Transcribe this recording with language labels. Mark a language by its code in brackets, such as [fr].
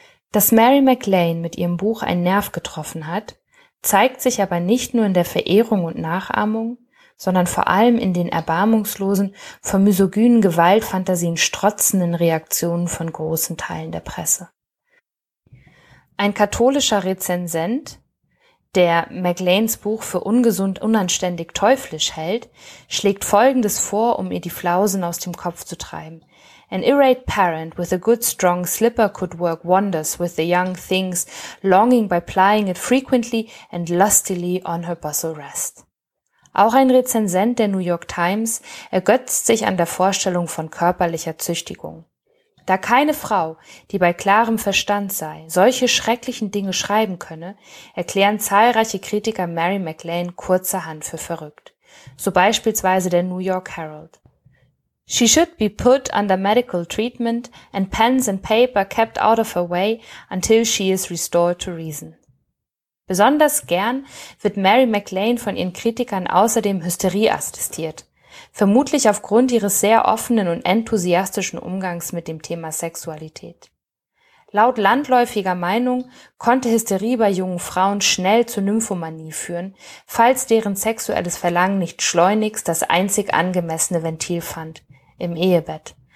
[de] Dass Mary McLane mit ihrem Buch einen Nerv getroffen hat, zeigt sich aber nicht nur in der Verehrung und Nachahmung, sondern vor allem in den erbarmungslosen, von misogynen Gewaltfantasien strotzenden Reaktionen von großen Teilen der Presse. Ein katholischer Rezensent, der McLanes Buch für ungesund, unanständig, teuflisch hält, schlägt Folgendes vor, um ihr die Flausen aus dem Kopf zu treiben. [en] An irate parent with a good strong slipper could work wonders with the young things, longing by plying it frequently and lustily on her bustle rest. [de] Auch ein Rezensent der New York Times ergötzt sich an der Vorstellung von körperlicher Züchtigung. Da keine Frau, die bei klarem Verstand sei, solche schrecklichen Dinge schreiben könne, erklären zahlreiche Kritiker Mary McLane kurzerhand für verrückt. So beispielsweise der New York Herald. [en] She should be put under medical treatment and pens and paper kept out of her way until she is restored to reason. [de] Besonders gern wird Mary McLane von ihren Kritikern außerdem Hysterie attestiert. Vermutlich aufgrund ihres sehr offenen und enthusiastischen Umgangs mit dem Thema Sexualität. Laut landläufiger Meinung konnte Hysterie bei jungen Frauen schnell zu Nymphomanie führen, falls deren sexuelles Verlangen nicht schleunigst das einzig angemessene Ventil fand, im Ehebett.